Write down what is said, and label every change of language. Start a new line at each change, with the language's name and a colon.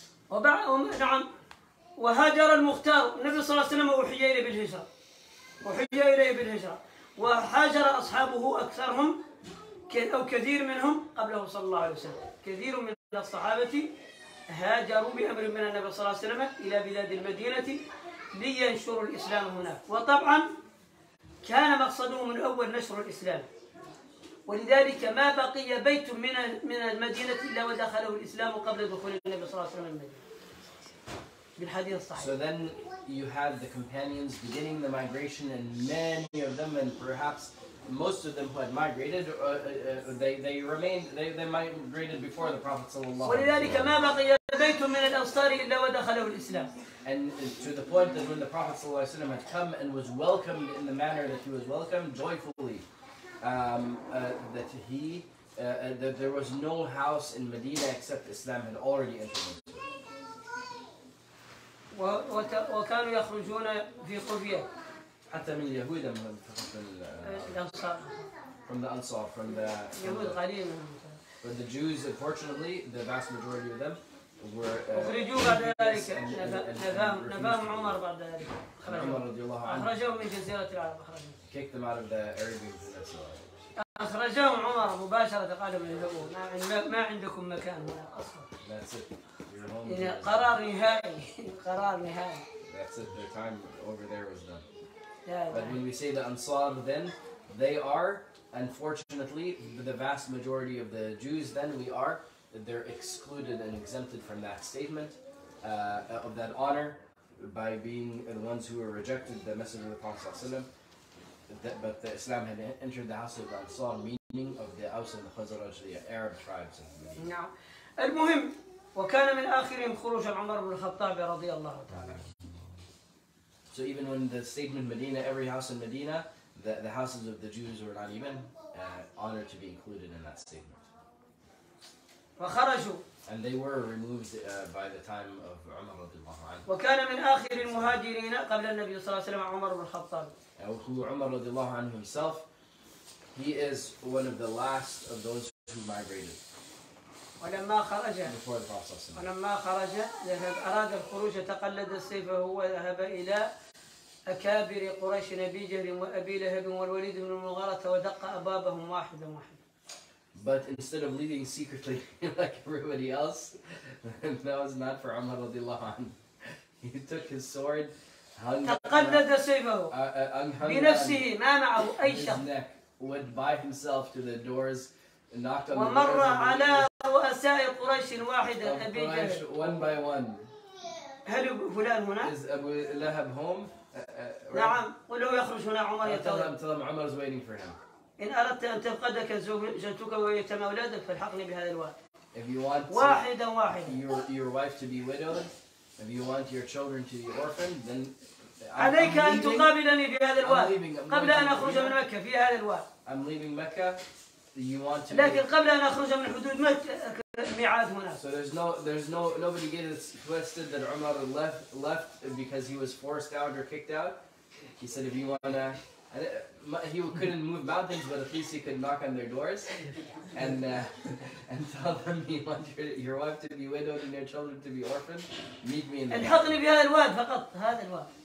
Arabic: وبعهم نعم وهاجر المختار النبي صلى الله عليه وسلم وحي إليه بالهجرة وهاجر أصحابه أكثرهم أو كثير منهم قبله صلى الله عليه وسلم كثير من الصحابة هاجروا بأمر من النبي صلى الله عليه وسلم إلى بلاد المدينة لينشروا الإسلام هناك وطبعا كان مقصدهم الأول نشر الإسلام ولذلك ما بقي بيت من المدينة إلا ودخله الإسلام قبل دخول النبي صلى الله عليه وسلم المدينة
English: So then you have the companions beginning the migration and many of them and perhaps most of them who had migrated they migrated before the Prophet sallallahu
Arabic: alaihi wasallam.
English: And to the point that when the Prophet sallallahu alaihi wasallam had come and was welcomed in the manner that he was welcomed joyfully that there was no house in Medina except Islam had already entered into.
Arabic: وكانوا يخرجون في قرية حتى من اليهود من الأنصار
English: from the Ansar from the
Arabic: يهود قليل
English: but the Jews unfortunately the vast majority of them were
Arabic: أخرجوا بعد ذلك نبأهم عمر بعد ذلك عمر رضي الله عنه أخرجهم من جزيرة العرب
English: kicked them out of the Arabian Peninsula
Arabic: أخرجهم عمر مباشرة قالوا من يهود ما عندكم مكان هنا أصلا
English: that's it That's it, their time over there was done. But when we say the Ansar then, they are, unfortunately, the vast majority of the Jews then we are, they're excluded and exempted from that statement, of that honor, by being the ones who were rejected the Messenger of the Prophet ﷺ. But the Islam had entered the house of the Ansar, meaning of the Aus and the Khazraj, the Arab tribes.
Arabic: المهم وكان من آخرهم خروج عمر بن الخطاب رضي الله تعالى.
English: So even when the statement Medina, every house in Medina, the houses of the Jews were not even honored to be included in that statement.
Arabic: وخرجوا.
English: And they were removed by the time of عمر
Arabic: رضي الله عنه. وكان من آخر المهاجرين قبل النبي صلى الله عليه وسلم عمر بن الخطاب.
English: Who عمر
Arabic: رضي الله عنه
English: himself, he is one of the last of those who migrated.
Arabic: ولما خرج ذهب أراد الخروج تقلد السيف هو ذهب إلى أكابر قريش أبي جهل وأبي لهب والوليد بن المغارة ودق أبوابهم واحدا واحدا.
English: But instead of leaving secretly like everybody else, that was not for عمر
Arabic: رضي الله عنه.
English: He took his sword, hung
Arabic: تقلد سيفه بنفسه ما معه أي شخص.
English: Went by himself to the doors
Arabic: ومر على رؤساء قريش واحدة أبي جهل.
English: One by one.
Arabic: هل فلان هنا؟
English: Is Abu Lahab home?
Arabic: نعم. قل له يخرج هنا عمر يتولى.
English: Tell him Umar is waiting for him.
Arabic: إن أردت أن تفقدك زوجتك ويتم أولادك فالحقني بهذا الوقت.
English: If you want
Arabic: واحدا واحدا.
English: Your wife to be widowed. If you want your children to be orphaned, then
Arabic: عليك أن تقابلني في هذا الوقت قبل أن أخرج من مكة في هذا الوقت.
English: I'm leaving Mecca. You want to
Arabic: لكن قبل أن أخرج من حدود مكة ميعاد هنا.
English: So there's no nobody gets twisted that Umar left because he was forced out or kicked out. He said if you wanna, he couldn't move mountains, but at least he could knock on their doors and tell them you want your wife to be widowed and your children to be orphaned. Meet me in.
Arabic: الحقني بهذا الوقت فقط هذا الوقت.